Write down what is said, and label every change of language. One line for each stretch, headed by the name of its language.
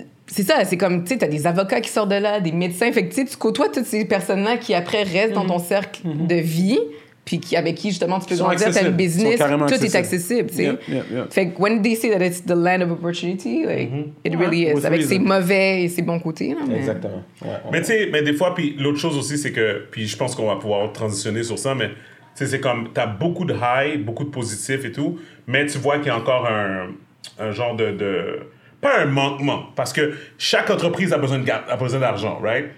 French: C'est ça, c'est comme, tu sais, t'as des avocats qui sortent de là, des médecins. Fait que, tu sais, tu côtoies toutes ces personnes-là qui, après, restent dans ton cercle de vie, puis avec qui, justement, tu peux grandir, t'as le business. Tout est accessible, tu sais.
English: Yep.
French: Fait que,
English: when they say that it's the land of opportunity, like, it really is.
French: Avec ses mauvais et ses bons côtés, là. Mais... Exactement. Ouais. Mais, tu sais, mais des fois, puis l'autre chose aussi, c'est que, puis je pense qu'on va pouvoir transitionner sur ça, mais, tu sais, c'est comme, t'as beaucoup de high, beaucoup de positifs et tout, mais tu vois qu'il y a encore un genre de... Pas un manquement, parce que chaque entreprise a besoin d'argent, right?